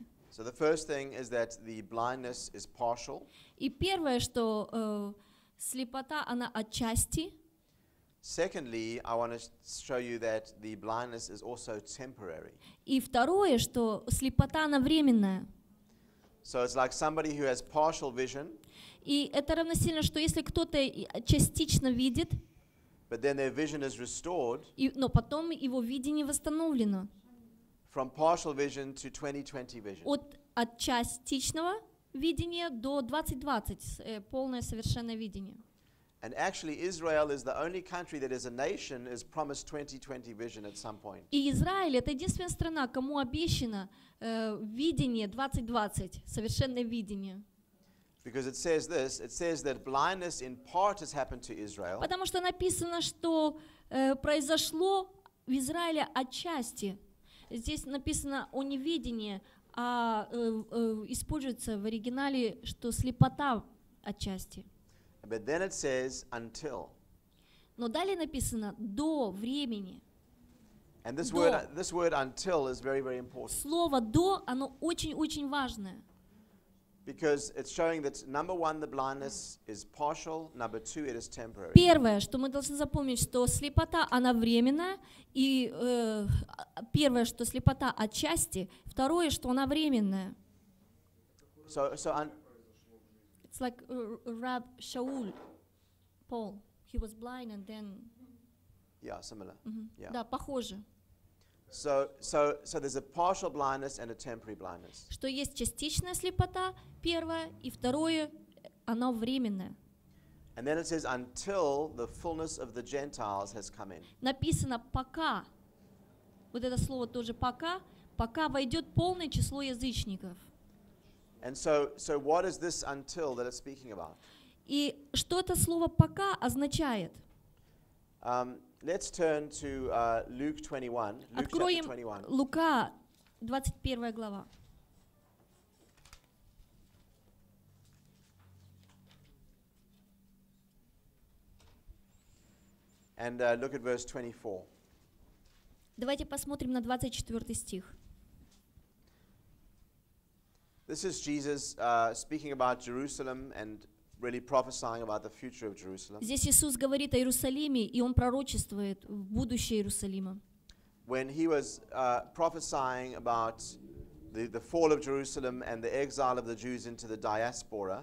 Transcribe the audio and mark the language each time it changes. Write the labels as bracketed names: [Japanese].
[English] So the first thing is that the blindness is partial. [Russian] И первое, что Слепота, она отчасти. [English] Secondly, I want to show you that the blindness is also temporary. [Russian] И второе, что слепота, она временная. [English] So it's like somebody who has partial vision. [Russian] И это равносильно, что если кто-то частично видит. [English] But then their vision is restored. [Russian] И, но потом его видение восстановлено. [English] From partial vision to 20/20 vision. [Russian] От частичного видения до 20/20 полное совершенное видение. [English] And actually, Israel is the only country that, as a nation, is promised 20/20 vision at some point. [Russian] И Израиль — это единственная страна, кому обещано видение 20/20 совершенное видение. [English] Because it says this, it says that blindness in part has happened to Israel. [Russian] Потому что написано, что произошло в Израиле отчасти. Здесь написано о невидении, а используется в оригинале, что слепота отчасти. [English] But then it says until. [Russian] Но далее написано до времени. [English] And this word, this word until is very, very important. [Russian] Слово до, оно очень-очень важное. [English] Because it's showing that number one, the blindness is partial. Number two, it is temporary. [Russian] Первое, что мы должны запомнить, что слепота, она временная. И первое, что слепота отчасти. Второе, что она временная. [English] So it's like Rab Shaul, Paul. He was blind and then. Yeah, similar. Mm-hmm. Yeah. [Russian] Да, похоже. [English] So there's a partial blindness and a temporary blindness. [Russian] Что есть частичная слепота, первое, и второе, оно временное. [English] And then it says until the fullness of the Gentiles has come in. [Russian] Написано пока. Вот это слово тоже пока, пока войдет полное число язычников. [English] And so what is this until that it's speaking about? [Russian] И что это слово пока означает? [English] Let's turn to Luke 21. [Russian] Откроем [English] chapter 21. [Russian] Лука, 21 глава. [English] And look at verse 24. [Russian] Давайте посмотрим на 24 стих. [English] This is Jesus speaking about Jerusalem and really prophesying about the future of Jerusalem. [Russian] Здесь Иисус говорит о Иерусалиме, и он пророчествует в будущее Иерусалима. [English] When he was prophesying about the fall of Jerusalem and the exile of the Jews into the diaspora.